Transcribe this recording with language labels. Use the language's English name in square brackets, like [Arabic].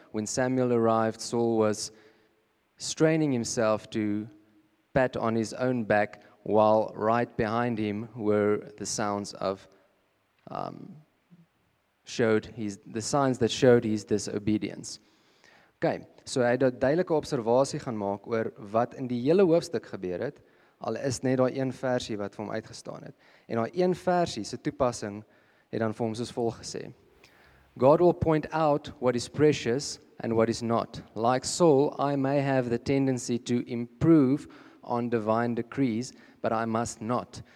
[English] When Samuel arrived, Saul was straining himself to pat on his own back, while right behind him were the sounds of the signs that showed his disobedience. Okay. [Afrikaans] So hy het 'n duidelike observasie gaan maak oor wat in die hele hoofstuk gebeur het, al is net daai een versie wat vir hom uitgestaan het. En daai een versie se toepassing het dan vir hom soos volg gesê. [English] God will point out what is precious and what is not. Like Saul, I may have the tendency to improve on divine decrees, but I must not.